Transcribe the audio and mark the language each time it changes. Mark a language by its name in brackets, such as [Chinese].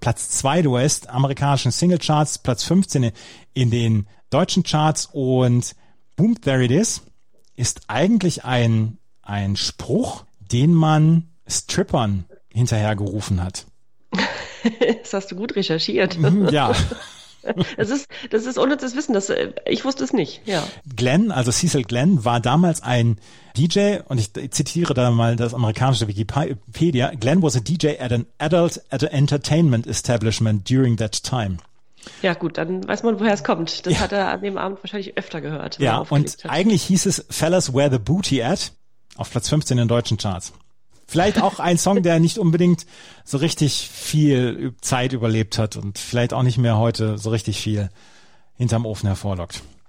[German] Platz 2 der US-amerikanischen Single Charts, Platz 15 in den deutschen Charts, und Whom There It Is ist eigentlich ein Spruch, den man Strippern hinterhergerufen hat. Das hast du gut recherchiert. Ja. Das ist ohne zu wissen, dass ich wusste es nicht. Ja. Glenn, also Cecil Glenn, war damals ein DJ, und ich zitiere da mal das amerikanische Wikipedia. [English] Glenn was a DJ at an adult entertainment establishment during that time. [German] Ja, gut, dann weiß man, woher es kommt. Das hat er an dem Abend wahrscheinlich öfter gehört. Ja, und eigentlich hieß es Fellas Where the Booty At auf Platz 15 in deutschen Charts. Vielleicht auch ein Song, der nicht unbedingt so richtig viel Zeit überlebt hat und vielleicht auch nicht mehr heute so richtig viel hinterm Ofen hervorlockt.